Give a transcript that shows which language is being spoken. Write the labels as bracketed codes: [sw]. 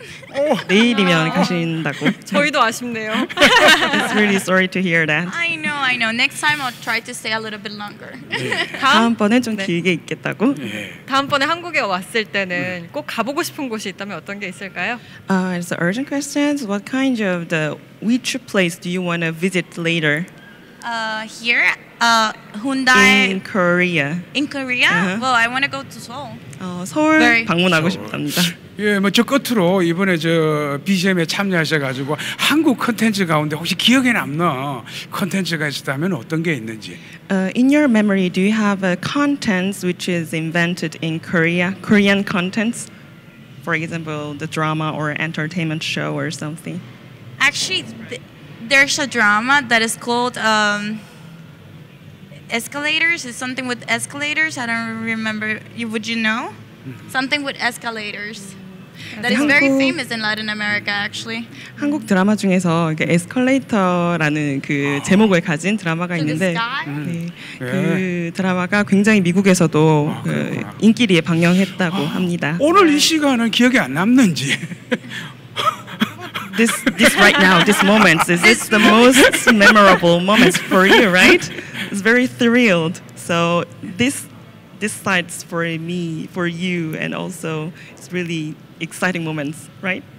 [ko] 내일이면 가신다고. 저희도 아쉽네요. [en] It's really sorry to hear that. I know, I know. Next time I'll try to stay a little bit longer. [ko] 다음번에 좀 네. 길게 있겠다고? 네. 다음번에 한국에 왔을 때는 꼭 가보고 싶은 곳이 있다면 어떤 게 있을까요? [en] It's an urgent question. What kind of which place do you want to visit later? Here? Hyundai in Korea. In Korea? Uh-huh. Well, I want to go to Seoul. [ko] 서울 Very. 방문하고 Seoul. 싶답니다. 예, 뭐 저 끝으로 이번에 저 BGM에 참여하셔가지고 한국 콘텐츠 가운데 혹시 기억에 남는 콘텐츠가 있다면 어떤 게 있는지? [en] In your memory, do you have a contents which is invented in Korea, Korean contents? For example, the drama or entertainment show or something? Actually, there's a drama that is called Escalators. It's something with escalators. I don't remember. Would you know? Something with escalators. That is very famous in Latin America, actually. [ko] 한국 드라마 중에서 에스컬레이터라는 그 제목을 가진 드라마가 있는데 그 드라마가 굉장히 미국에서도 그 인기리에 방영했다고 합니다. 오늘 이 시간은 기억이 안 남는지. [en] This right now, this moment, is this the most memorable moments for you, right? It's very thrilled. So this side's for me, for you, and also it's really exciting moments, right?